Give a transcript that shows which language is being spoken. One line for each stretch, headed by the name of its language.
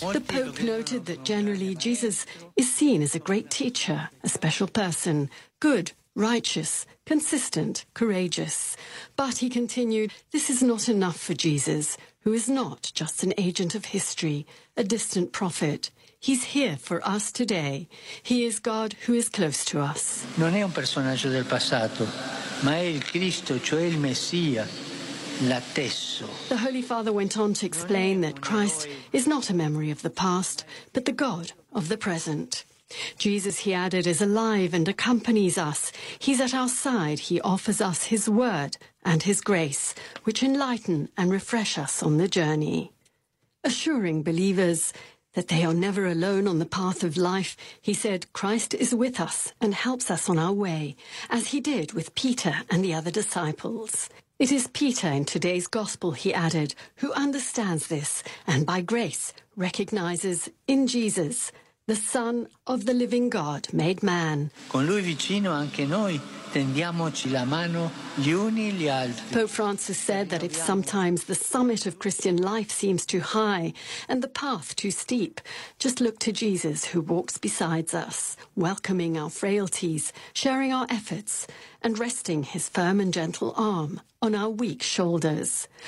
English: The Pope noted that generally Jesus is seen as a great teacher, a special person, good, righteous, consistent, courageous. But he continued, this is not enough for Jesus, who is not just an agent of history, a distant prophet. He's here for us today. He is God who is close to us.
Italian: Non è un personaggio del passato, ma è il Cristo, cioè il Messia.
English: The Holy Father went on to explain that Christ is not a memory of the past, but the God of the present. Jesus, he added, is alive and accompanies us. He's at our side. He offers us his word and his grace, which enlighten and refresh us on the journey. Assuring believers that they are never alone on the path of life, he said, Christ is with us and helps us on our way, as he did with Peter and the other disciples. It is Peter in today's gospel, he added, who understands this and by grace recognizes in Jesus the Son of the living God made man.
Italian: Con lui vicino anche noi tendiamoci la mano gli uni gli altri.
English: Pope Francis said that if sometimes the summit of Christian life seems too high and the path too steep, just look to Jesus who walks beside us, welcoming our frailties, sharing our efforts, and resting his firm and gentle arm on our weak shoulders.